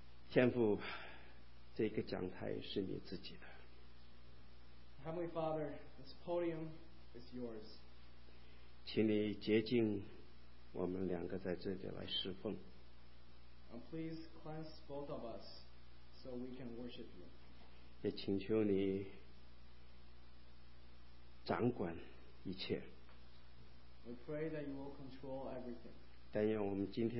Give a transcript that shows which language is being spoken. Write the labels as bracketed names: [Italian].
[Chinese] 天父, 这个讲台是你自己的。 [English] Heavenly Father, this podium is yours. [Chinese] 请你洁净我们两个在这里来侍奉。 [English] And please cleanse both of us so we can worship you. [Chinese] 也请求你掌管一切。 [English] We pray that you will control everything.